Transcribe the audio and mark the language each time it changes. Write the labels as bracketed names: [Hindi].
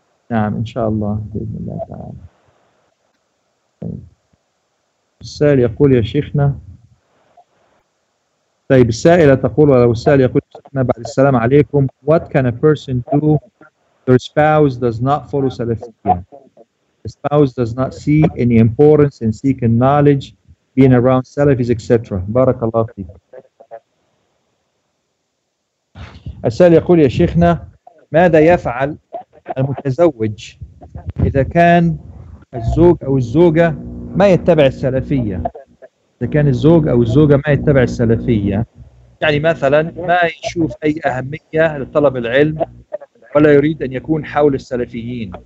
[Arabic] نعم إن شاء الله بإذن الله تعالى. السائل يقول يا شيخنا، طيب السائلة تقول، ولو السائل يقول شيخنا بعد السلام عليكم، [English] what can a person do their spouse does not follow Salafiyya? The spouse does not see any importance in seeking knowledge, being around Salafis, etc. [Arabic] Barakallahu fiik. السائل يقول يا شيخنا ماذا يفعل المتزوج إذا كان الزوج أو الزوجة ما يتبع السلفية؟ إذا كان الزوج أو الزوجة ما يتبع السلفية، يعني مثلا ما يشوف أي أهمية لطلب العلم ولا يريد أن يكون حول السلفيين.